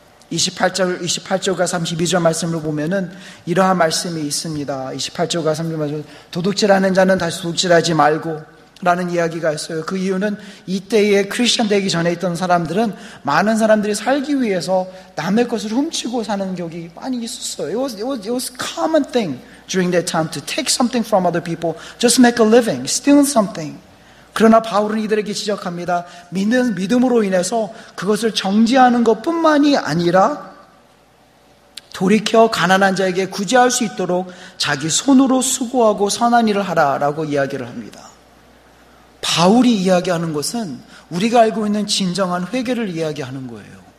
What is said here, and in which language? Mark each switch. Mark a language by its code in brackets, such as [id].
[ko] 28절과 32절 말씀을 보면은 이러한 말씀이 있습니다. 28절과 32절 도둑질하는 자는 다시 도둑질하지 말고 라는 이야기가 있어요. 그 이유는 이때에 크리스천 되기 전에 있던 사람들은 많은 사람들이 살기 위해서 남의 것을 훔치고 사는 격이 많이 있었어요. [en] It was common thing during that time to take something from other people just to make a living, steal something. [ko] 그러나 바울은 이들에게 지적합니다. 믿음으로 인해서 그것을 정지하는 것뿐만이 아니라 돌이켜 가난한 자에게 구제할 수 있도록 자기 손으로 수고하고 선한 일을 하라라고 이야기를 합니다. 바울이 이야기하는 것은 우리가 알고 있는 진정한 회개를 이야기하는 거예요.